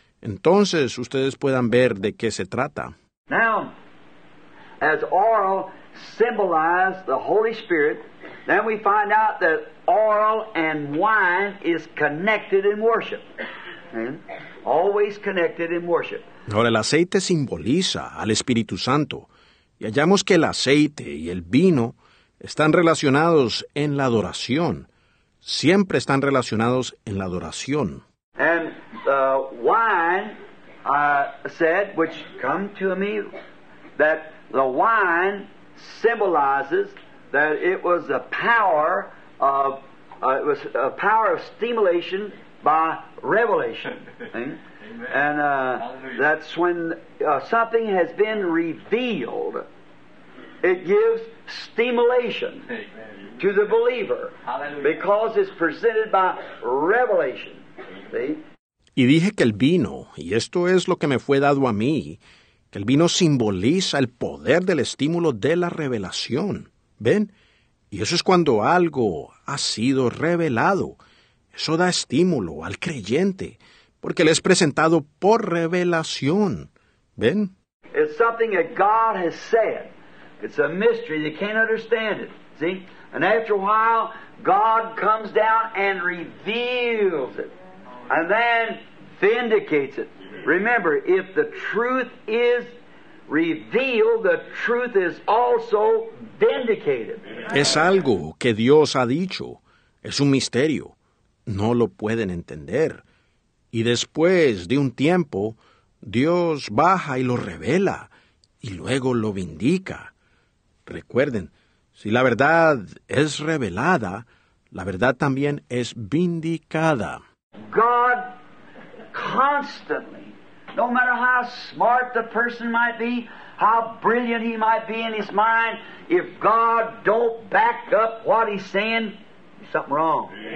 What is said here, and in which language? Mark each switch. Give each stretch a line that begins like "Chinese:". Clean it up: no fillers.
Spanish: Entonces ustedes puedan ver de qué se trata.
English: Now, as oil symbolizes the Holy Spirit, then we find out that oil and wine is connected in worship. Always connected in worship.
Spanish: Ahora, el aceite simboliza al Espíritu Santo. Y hallamos que el aceite y el vino están relacionados en la adoración. Siempre están relacionados en la adoración.
English: And the wine, said, which come to me, that the wine symbolizes that it was a power of, it was a power of stimulation by revelation. And that's when something has been revealed. It gives stimulation to the believer because it's presented by revelation.
Spanish: Y dije que el vino, y esto es lo que me fue dado a mí, que el vino simboliza el poder del estímulo de la revelación. ¿Ven? Y eso es cuando algo ha sido revelado. Eso da estímulo al creyente, porque le es presentado por revelación. ¿Ven?
English: It's something that God has said. It's a mystery. You can't understand it. See? And after a while, God comes down and reveals it. And then vindicates it. Remember, if the truth is revealed, the truth is also vindicated.
Spanish: Es algo que Dios ha dicho. Es un misterio. No lo pueden entender. Y después de un tiempo, Dios baja y lo revela, y luego lo vindica. Recuerden, si la verdad es revelada, la verdad también es vindicada.
English: God constantly, no matter how smart the person might be, how brilliant he might be in his mind, if God don't back up what he's saying, something wrong.